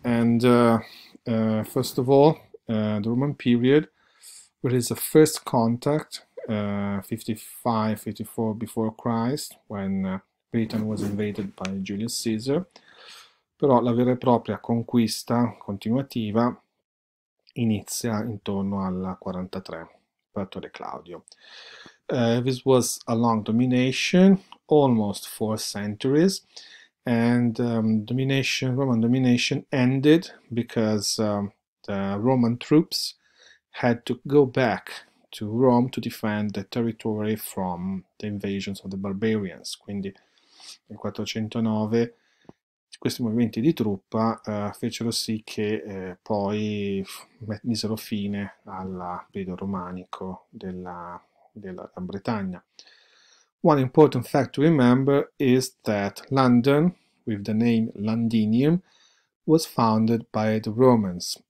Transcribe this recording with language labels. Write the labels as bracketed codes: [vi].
[en] And first of all, the Roman period, which is the first contact, 55, 54 before Christ, when Britain was invaded by Julius Caesar. [it] Però la vera e propria conquista continuativa inizia intorno al 43, Pertore Claudio. [en] This was a long domination, almost 4 centuries, and Roman domination ended because the Roman troops had to go back to Rome to defend the territory from the invasions of the barbarians. [it] Quindi nel 409 questi movimenti di truppa fecero sì che poi misero fine al periodo romanico della Bretagna. [en] One important fact to remember is that London, with the name Londinium, was founded by the Romans.